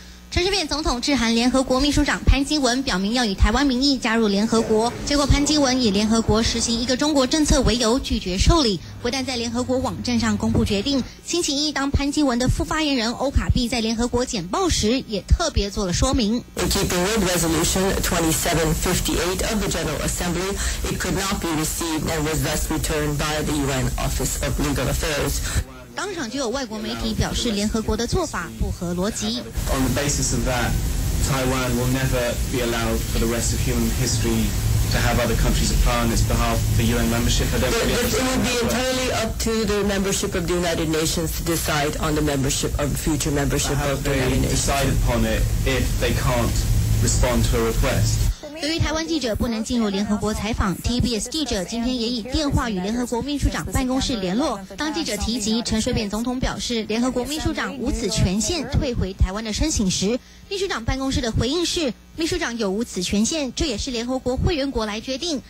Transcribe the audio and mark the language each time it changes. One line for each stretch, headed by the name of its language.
Chinese: 陈水扁总统致函联合国秘书长潘基文，表明要以台湾名义加入联合国。结果潘基文以联合国实行一个中国政策为由拒绝受理，不但在联合国网站上公布决定，星期一当潘基文的副发言人欧卡碧在联合国简报时也特别做了说明。
English: In keeping with Resolution 2758 of the General Assembly, it could not be received and was thus returned by the UN Office of Legal Affairs.
Chinese: 当场就有外国媒体表示联合国的做法不合逻辑。
English: On the basis of that, Taiwan will never be allowed for the rest of human history to have other countries apply on its behalf for UN membership. But it would be entirely up to the membership of the United Nations to decide on the membership of future membership of the United Nations. Have they decided upon it if they can't respond to a request?
Chinese: 由于台湾记者不能进入联合国采访 ，TBS 记者今天也以电话与联合国秘书长办公室联络。当记者提及陈水扁总统表示联合国秘书长无此权限退回台湾的申请时，秘书长办公室的回应是：秘书长有无此权限，这也是联合国会员国来决定。